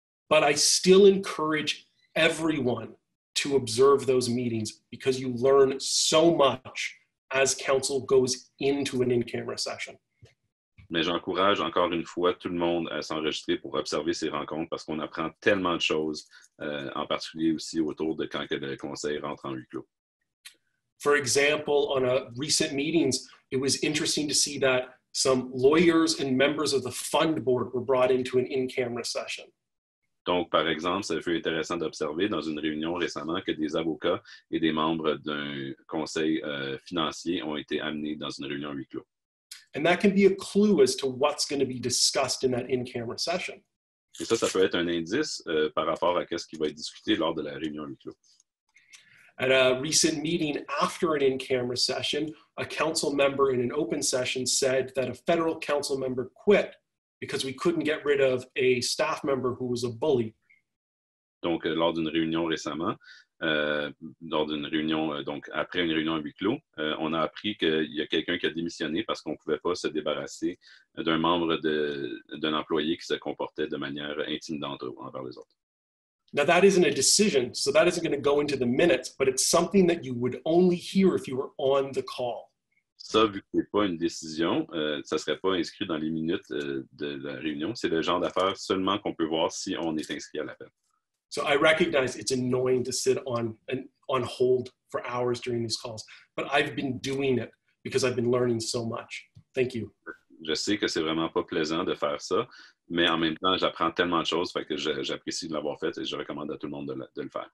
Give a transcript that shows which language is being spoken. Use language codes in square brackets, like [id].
[en] But I still encourage everyone to observe those meetings because you learn so much as council goes into an in-camera session. [fr] Mais j'encourage encore une fois tout le monde à s'enregistrer pour observer ces rencontres parce qu'on apprend tellement de choses, en particulier aussi autour de quand le conseil rentre en huis clos. [en] For example, on a recent meetings, it was interesting to see that some lawyers and members of the fund board were brought into an in-camera session. [fr] Donc, par exemple, ça fut intéressant d'observer dans une réunion récemment que des avocats et des membres d'un conseil financier ont été amenés dans une réunion huis clos. [en] And that can be a clue as to what's going to be discussed in that in-camera session. [fr] Et ça peut être un indice par rapport à qu'est-ce qui va être discuté lors de la réunion huis clos. [en] At a recent meeting after an in-camera session, a council member in an open session said that a federal council member quit because we couldn't get rid of a staff member who was a bully. [fr] Donc lors d'une réunion récemment, lors d'une réunion, donc après une réunion à huis clos, on a appris qu'il y a quelqu'un qui a démissionné parce qu'on ne pouvait pas se débarrasser d'un membre d'un employé qui se comportait de manière intimidante envers les autres. [en] Now that isn't a decision, so that isn't going to go into the minutes, but it's something that you would only hear if you were on the call. [fr] Ça, vu que ce n'est pas une décision, ça ne serait pas inscrit dans les minutes de la réunion. C'est le genre d'affaires seulement qu'on peut voir si on est inscrit à l'appel. [en] So I recognize it's annoying to sit on hold for hours during these calls, but I've been doing it because I've been learning so much. Thank you. [fr] Je sais que c'est vraiment pas plaisant de faire ça, mais en même temps, j'apprends tellement de choses, fait que j'apprécie de l'avoir fait et je recommande à tout le monde de le faire.